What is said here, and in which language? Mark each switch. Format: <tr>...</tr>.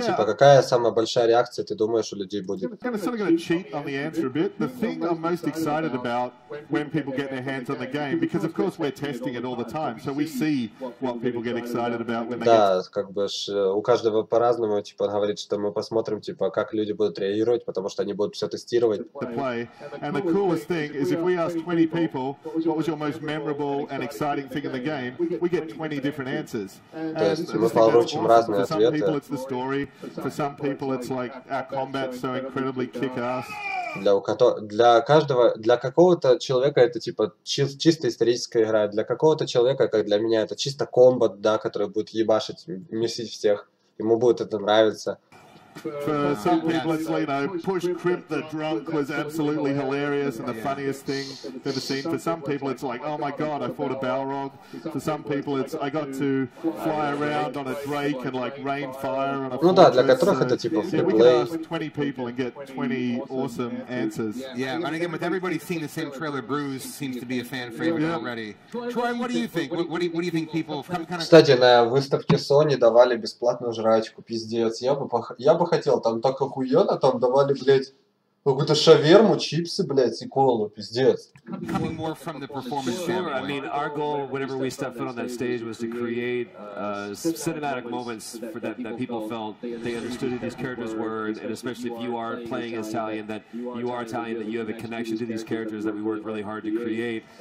<ru>Типа, какая самая большая реакция, ты думаешь, у людей будет?</ru> <en>I'm sort of going to cheat on the answer a bit. The thing I'm most excited about when people get their hands on the game, because of course we're testing it all the time, so we see what people get excited about when they</en> <ru>да, как бы ж, у каждого по-разному, типа, он говорит, что мы посмотрим, типа, как люди будут реагировать, потому что они будут все тестировать.</ru> <en>And the coolest thing is if we ask 20 people, what was your most memorable and exciting thing in the game, we get 20 different answers.</en> <ru>Мы получим разные ответы.</ru> <en>For some people it's the story, for some people it's like our combat so incredibly kick-ass.</en> <ru>Для каждого, для какого-то человека это типа чисто историческая игра, для какого-то человека, как для меня, это чисто комбат, да, который будет ебашить, месить всех, ему будет это нравиться.</ru> <en>For some people, it's Lino. Push Crimp the Drunk was absolutely hilarious and the funniest thing I've ever seen. For some people, it's like, oh my god, I fought a Balrog. For some people, it's I got to fly around on a Drake and like rain fire on a fortress.</en> <ru>Ну да, для которых это типа</ru> <en>free play. We can ask 20 people and get 20 awesome answers. Yeah, and again, with everybody seeing the same trailer, Bruce seems to be a fan favorite already. Troy, what do you think? What do you think people...</en> <ru>Кстати, на выставке Sony давали бесплатную жрачку, пиздец. Я бы хотел, там так охуенно, там давали, блядь, какую-то шаверму, чипсы, блядь, и колу, пиздец.</ru> <en>Coming more from the performance standpoint. Sure, I mean, our goal, whenever we stepped foot on that stage, was to create cinematic moments for that people felt they understood who these characters were, and especially if you are playing Italian, that you are Italian, that you have a connection to these characters that we worked really hard to create.</en>